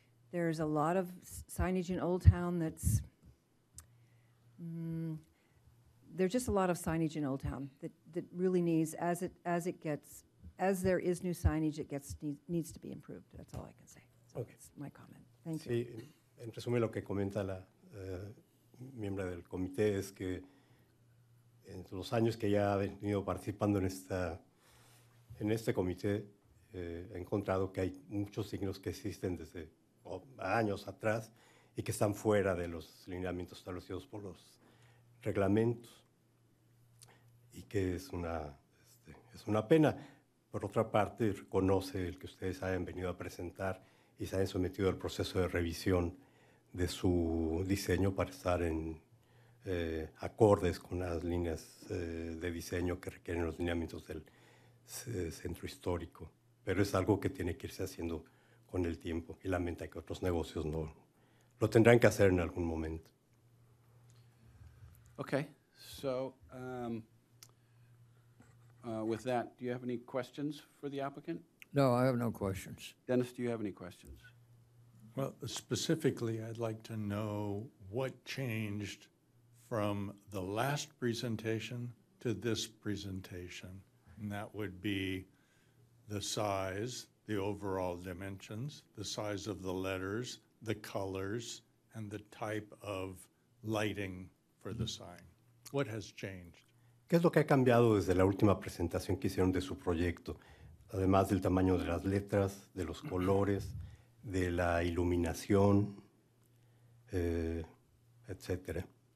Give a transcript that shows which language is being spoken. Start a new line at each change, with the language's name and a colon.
English: There's a lot of signage in Old Town that's, there's just a lot of signage in Old Town that really needs, as there is new signage, it gets needs to be improved. That's all I can say. So okay. That's my comment. Thank
Spanish: sí,
English: you.
Spanish: En resumen, lo que comenta la miembro del comité es que en los años que ya ha venido participando en este comité, he encontrado que hay muchos signos que existen desde años atrás y que están fuera de los lineamientos establecidos por los reglamentos y que es una pena. Por otra parte, reconoce el que ustedes hayan venido a presentar y se hayan sometido al proceso de revisión de su diseño para estar en acordes con las líneas de diseño que requieren los lineamientos del centro histórico. Pero es algo que tiene que irse haciendo con el tiempo y lamenta que otros negocios no lo tendrán que hacer en algún momento.
English: Okay, so with that, do you have any questions for the applicant? No, I have no questions. Dennis, do you have any questions? Well, specifically, I'd like to know what changed from the last presentation to this presentation, and that would be the size, the overall dimensions, the size of the letters, the colors, and the type of lighting for the sign. What has changed?
Spanish: ¿Qué es lo que ha cambiado desde la última presentación que hicieron de su proyecto? Además del tamaño de las letras, de los colores, de la iluminación, etc.